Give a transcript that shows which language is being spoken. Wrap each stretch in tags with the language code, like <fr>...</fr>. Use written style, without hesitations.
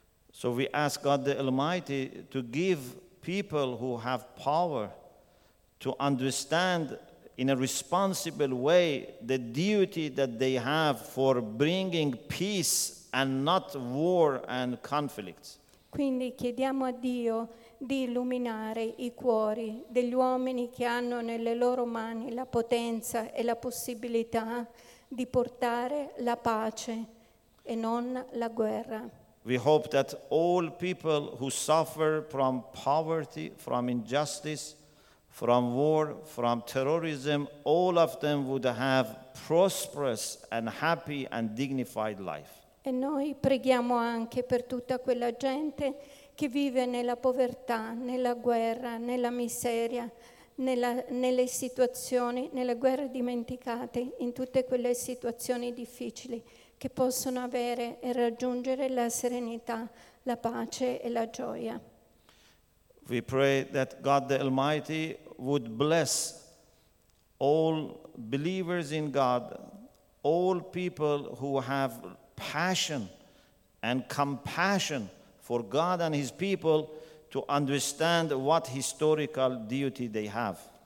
<en>So we ask God the Almighty to give people who have power to understand in a responsible way the duty that they have for bringing peace and not war and conflicts.</en> <it>Quindi chiediamo a Dio di illuminare i cuori degli uomini che hanno nelle loro mani la potenza e la possibilità di portare la pace e non la guerra.</it> <en>We hope that all people who suffer from poverty, from injustice, from war, from terrorism, all of them would have prosperous and happy and dignified life.</en> <it>E noi preghiamo anche per tutta quella gente che vive nella povertà, nella guerra, nella miseria, nelle situazioni, nelle guerre dimenticate, in tutte quelle situazioni difficili, che possono avere e raggiungere la serenità, la pace e la gioia.</it> <en>We pray that God the Almighty would bless all believers in God, all people who have passion and compassion for God and His people, to understand what historical duty they have.</en>